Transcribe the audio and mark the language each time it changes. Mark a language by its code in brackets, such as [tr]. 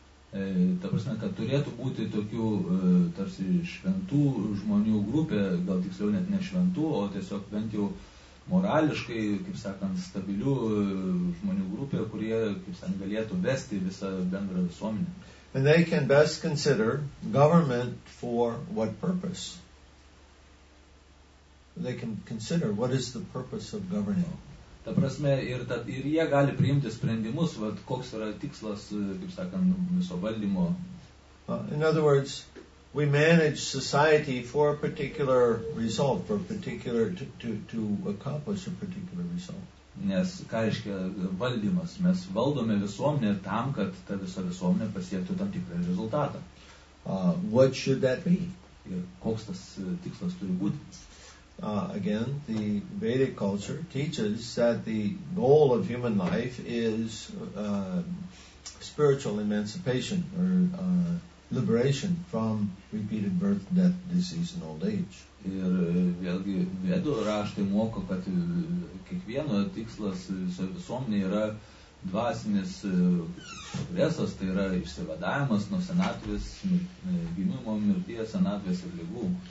[lt] Ta prasme, kad turėtų būti tokių tarsi šventų žmonių grupė, gal tiksliau net ne šventų, o tiesiog bent jau morališkai, kaip sakant, stabilių žmonių grupė, kurie, kaip sakant, galėtų vesti visą bendrą visuomenę. [en] And they can best consider government for what purpose? They can consider what is the purpose of governing. [lt] Ta prasme, ir jie gali priimti sprendimus, vat, koks yra tikslas, kaip sakant, viso valdymo. [en] In other words, we manage society for a particular result, for a particular, to accomplish a particular result. [lt] Nes, ką reiškia valdymas, mes valdome visuomenę tam, kad ta visa visuomenė pasiektų tam tikrą rezultatą. [en] What should that be? [lt] Ir koks tas tikslas turi būti? [en] Again, the Vedic culture teaches that the goal of human life is spiritual emancipation or liberation from repeated birth, death, disease and old age. [lt] Ir vėlgi Vedų raštai moko, kad kiekvieno tikslas visuomenė yra dvasinis progresas, tai yra išsivadavimas nuo senatvės, gimimo, mirties, senatvės ir ligų.